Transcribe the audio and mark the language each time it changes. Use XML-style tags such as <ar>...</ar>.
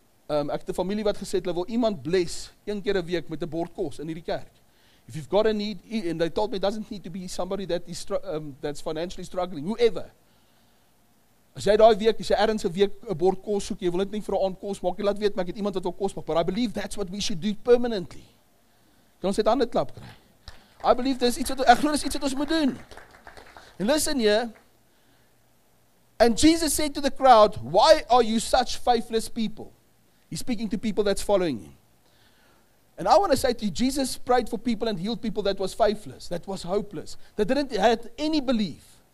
<af>Ek die familie wat gesê het, hulle wil iemand bless een keer 'n week met 'n bord kos in hierdie kerk.</af> <en>If you've got a need, and they told me it doesn't need to be somebody that is that's financially struggling, whoever.</en> <af>As jy daai week, as jy ergens 'n week 'n bord kos soek, jy wil dit nie vir 'n aand kos maak, jy laat weet, maar ek het iemand wat wil kos maak,</af> <en>but I believe that's what we should do permanently.</en> <af>Kan ons dit aan 'n klap kry?</af> <en>I believe there's</en> <af>iets wat, ek glo there's iets wat ons moet doen.</af> <en>And listen here, and Jesus said to the crowd, why are you such faithless people? He's speaking to people that's following him. And I want to say to you, Jesus prayed for people and healed people that was faithless, that was hopeless, that didn't have any belief.</en>